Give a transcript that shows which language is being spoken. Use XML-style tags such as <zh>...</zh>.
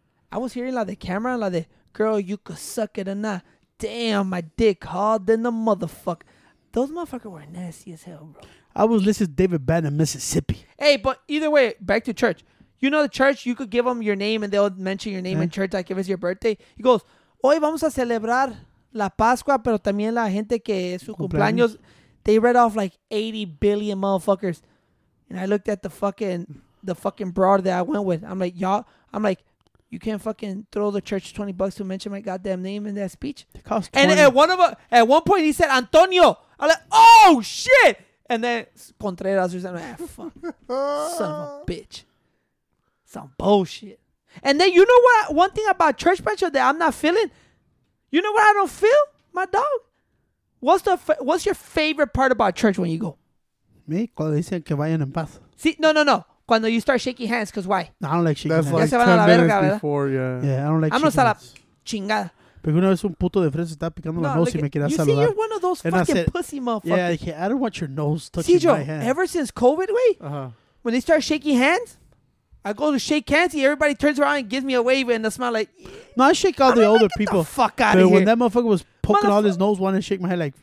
<en>I was hearing like the camera, like the girl, you could suck it or not. Damn, my dick hard than the motherfucker. Those motherfuckers were nasty as hell, bro. I was listening to David Banner, Mississippi. Hey, but either way, back to church. You know, the church, you could give them your name and they'll mention your name in church, like if it's your birthday.</en> <es>He goes, hoy vamos a celebrar la Pascua, pero también la gente que es su cumpleaños.</es> <en>They read off like 80 billion motherfuckers. And I looked at the fucking broad that I went with. I'm like, y'all, I'm like, you can't fucking throw the church $20 to mention my goddamn name in that speech. It cost 20. And at one point he said, Antonio. I'm like, oh shit. And then Contreras was like, ah, fuck. Son of a bitch. Some bullshit. And then you know what? One thing about church pressure that I'm not feeling. You know what I don't feel, my dog? What's your favorite part about church when you go?</en> <es>Me? Cuando dicen que vayan en paz.</es> <en>See, no.</en> <es>Cuando</es> <en>you start shaking hands, because why? No, I don't like shaking hands. That's like 10 minutes before, yeah. Yeah, I don't like shaking hands.</en> <es>Vamos a la chingada. Pero una vez un puto de frente estaba picando la nose y me quería saludar.</es> <en>You see, you're one of those and fucking pussy motherfuckers. Yeah, I don't want your nose touching</en> <es>Cijo,</es> <en>my hand. Ever since COVID, wey, when they start shaking hands, I go to shake hands and everybody turns around and gives me a wave and a smile like... No, I shake all I'm the older people. The fuck out of here. When that motherfucker was poking all his nose, wanting to shake my head like...</en>